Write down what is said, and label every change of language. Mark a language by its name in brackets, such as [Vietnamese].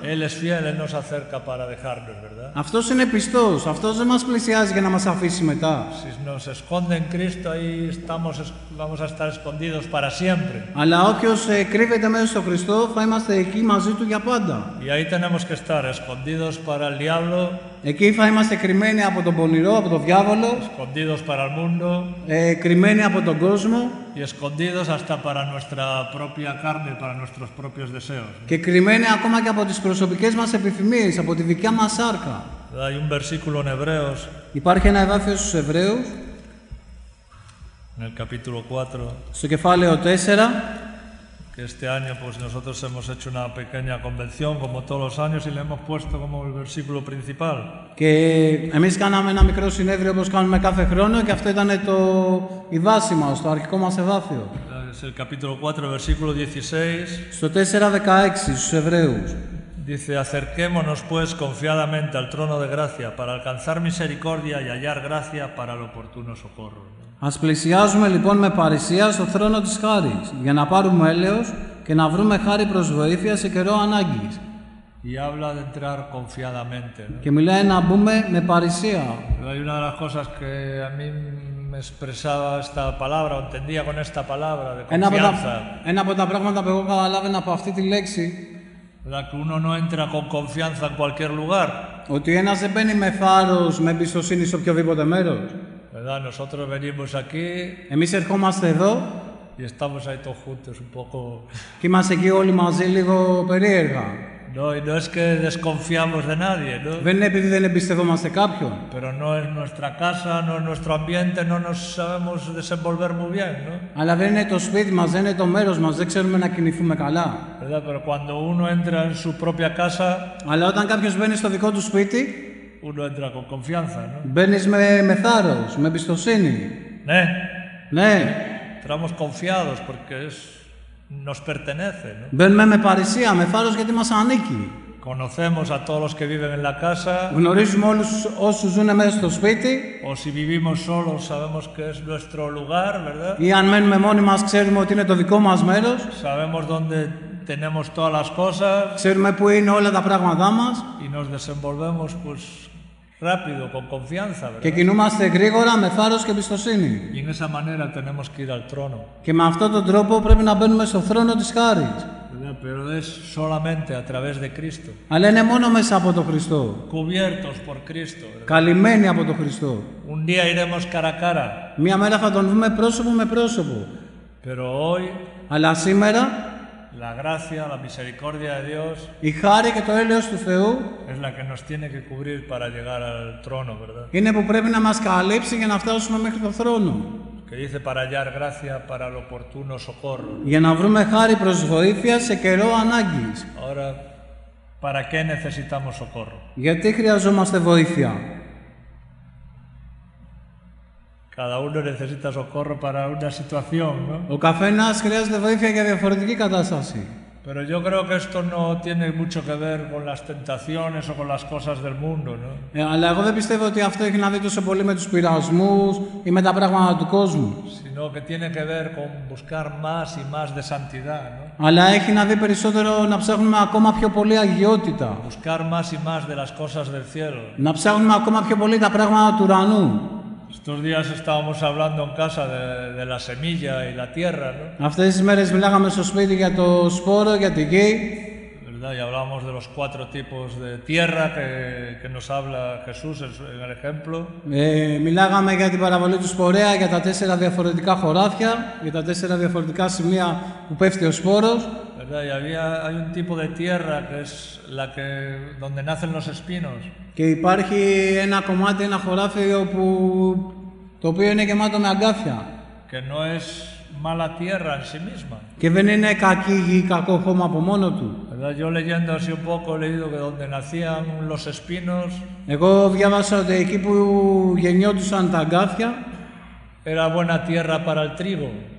[Spanish] Él es fiel, él nos acerca para dejarnos, ¿verdad? [Greek] Αυτός είναι πιστός, αυτός δεν μας πλησιάζει για να μας αφήσει μετά. [Spanish] Si nos esconde en Cristo, ahí estamos, vamos a estar escondidos para siempre. [Greek] Αλλά όποιος κρύβεται μέσα στο Χριστό, θα είμαστε εκεί μαζί του για πάντα. [Spanish] Y ahí tenemos que estar, escondidos para el diablo. [Greek] Εκεί θα είμαστε κρυμμένοι από τον πονηρό, από τον διάβολο. [Spanish] Escondidos para el mundo. [Greek] Κρυμμένοι από τον κόσμο. [Spanish] Y escondidos hasta para nuestra propia carne, para nuestros propios deseos. [Greek] Και κρυμμένοι ακόμα και από τις προσωπικές μας επιθυμίες, από τη δικιά μας σάρκα. [Spanish] Hay un versículo en Hebreos. [Greek] Υπάρχει ένα εδάφιο στους Εβραίους. [Spanish] En el capítulo 4. [Greek] Στο κεφάλαιο 4. [Spanish] Que este año pues nosotros hemos hecho una pequeña convención como todos los años y le hemos puesto como el versículo principal. [Greek] Que εμείς κάναμε ένα μικρό συνέδριο όπως κάνουμε κάθε χρόνο και αυτό ήταν το η βάση μας, το αρχικό μας εδάφιο. [Spanish] Es el capítulo 4, versículo 16. [Greek] Στο 4:16 στους Εβραίους. [Spanish] Dice, acerquémonos pues confiadamente al trono de gracia para alcanzar misericordia y hallar gracia para el oportuno socorro. [Greek] Ας πλησιάζουμε λοιπόν με παρησία στο θρόνο της χάρης για να πάρουμε έλεος και να βρούμε χάρη προς βοήθεια σε καιρό ανάγκης. [Spanish] Y habla de entrar confiadamente, ¿no? [Greek] Και μιλάει να μπούμε με παρησία. [Spanish] Hay una de las cosas que a mí me expresaba esta palabra, o entendía con esta palabra, de confianza. [Greek] Ένα από τα πράγματα που εγώ καταλάβαινα από αυτή τη λέξη. [Spanish] La que uno no entra con confianza en cualquier lugar. [Greek] Ότι ένας δεν μπαίνει με θάρρος, με εμπιστοσύνη σε οποιοδήποτε μέρος. [Spanish] ¿Verdad? Nosotros venimos aquí. [Greek] Εμείς ερχόμαστε εδώ. [Spanish] Y estamos ahí todos juntos un poco. [Greek] Και είμαστε εκεί όλοι μαζί λίγο περίεργα. [Spanish] No es que desconfiamos de nadie, ¿no? [Greek] Δεν είναι επειδή δεν εμπιστευόμαστε κάποιον. [Spanish] Pero no es nuestra casa, no es nuestro ambiente, no nos sabemos desenvolver muy bien, ¿no? [Greek] Αλλά δεν είναι το σπίτι μας, δεν είναι το μέρος μας, δεν ξέρουμε να κινηθούμε καλά. [Spanish] ¿Verdad? Pero cuando uno entra en su propia casa, [Greek] αλλά όταν κάποιος μπαίνει στο δικό του σπίτι, [Spanish] uno entra con confianza, ¿no? [Greek] Μπαίνεις με θάρρος, με εμπιστοσύνη. Ναι. Ναι. [Spanish] Entramos confiados porque es nos pertenece, ¿no? [Greek] Μπαίνουμε με παρησία, με θάρρος γιατί μας ανήκει. [Spanish] Conocemos a todos los que viven en la casa. [Greek] Γνωρίζουμε όλους όσους ζουν μέσα στο σπίτι. [Spanish] O si vivimos solos, sabemos que es nuestro lugar, ¿verdad? [Greek] Ή αν μένουμε μόνοι μας, ξέρουμε ότι είναι το δικό μας μέρος. [Spanish] Sabemos dónde tenemos todas las cosas. [Greek] Ξέρουμε πού είναι όλα τα πράγματά μας. [Spanish] Y nos desenvolvemos pues rápido, con confianza, ¿verdad? [Greek] Και κινούμαστε γρήγορα με θάρρος και εμπιστοσύνη. [Spanish] Y en esa manera tenemos que ir al trono. [Greek] Και με αυτόν τον τρόπο πρέπει να μπαίνουμε στο θρόνο της χάρης. [Spanish] Pero es solamente a través de Cristo. [Greek] Αλλά είναι μόνο μέσα από τον Χριστό. [Spanish] Cubiertos por Cristo. [Greek] Καλυμμένοι από τον Χριστό. [Spanish] Un día iremos cara a cara. [Greek] Μια μέρα θα τον δούμε πρόσωπο με πρόσωπο. [Spanish] Pero hoy, [Greek] αλλά σήμερα, [Spanish] la gracia, la misericordia de Dios, [Greek] η χάρη και το έλεος του Θεού [Spanish] es la que nos tiene que cubrir para llegar al trono, ¿verdad? [Greek] Είναι που πρέπει να μας καλύψει για να φτάσουμε μέχρι τον θρόνο. [Spanish] Que dice para hallar gracia para el oportuno socorro. [Greek] Για να βρούμε χάρη προς βοήθεια σε καιρό ανάγκης. [Spanish] Ahora, ¿para qué necesitamos socorro? [Greek] Γιατί χρειαζόμαστε βοήθεια. [Spanish] Cada uno necesita socorro para una situación, ¿no? [Greek] Ο καθένας χρειάζεται βοήθεια για διαφορετική κατάσταση. [Spanish] Pero yo creo que esto no tiene mucho que ver con las tentaciones o con las cosas del mundo, ¿no? [Greek] Αλλά εγώ δεν πιστεύω ότι αυτό έχει να δει τόσο πολύ με τους πειρασμούς ή με τα πράγματα του κόσμου. [Spanish] Sino que tiene que ver con buscar más y más de santidad, ¿no? [Greek] Αλλά έχει να δει περισσότερο να ψάχνουμε ακόμα πιο πολύ αγιότητα. [Spanish] Buscar más y más de las cosas del cielo. [Greek] Να ψάχνουμε ακόμα πιο πολύ τα πράγματα του ουρανού. [Spanish] Estos días estábamos hablando en casa de la semilla y la tierra, ¿no? [Greek] Αυτές τις μέρες μιλάγαμε στο σπίτι για το σπόρο, για τη γη. [Spanish] ¿Verdad? Y hablábamos de los cuatro tipos de tierra que nos habla Jesús en el ejemplo. [Greek] Μιλάγαμε για την παραβολή του σπορέα, για τα τέσσερα διαφορετικά χωράφια, για τα τέσσερα διαφορετικά σημεία που πέφτει ο σπόρος. [Spanish] ¿Verdad? Y hay un tipo de tierra que es la que donde nacen los espinos. [Greek] Και υπάρχει ένα κομμάτι, ένα χωράφιο που το οποίο είναι γεμάτο με αγκάθια. [Spanish] Que no es mala tierra en sí misma. [Greek] Και δεν είναι κακή γη, κακό χώμα από μόνο του. [Spanish] ¿Verdad? Yo leyendo así un poco he leído que donde nacían los espinos. [Greek] Εγώ διάβασα ότι εκεί που γεννιόντουσαν τα αγκάθια. [Spanish] Era buena tierra para el trigo.